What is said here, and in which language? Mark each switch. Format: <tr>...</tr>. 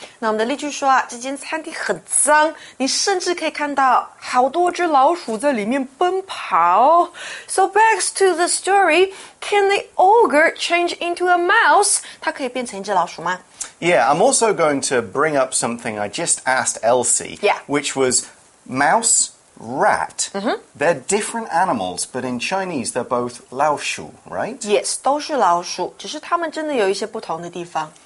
<zh>那我们的例句说啊，这间餐厅很脏，你甚至可以看到好多只老鼠在里面奔跑。</zh> <en>So back to the story, can the ogre change into a mouse?</en> <zh>它可以变成一只老鼠吗？</zh> <en>Yeah, I'm also going to bring up something I just asked Elsie, yeah. which was mouse... Rat,、 mm-hmm. they're different animals, but in Chinese, they're both 老鼠, right?</en> <zh>Yes, 都是老鼠,只是它们真的有一些不同的地方。</zh>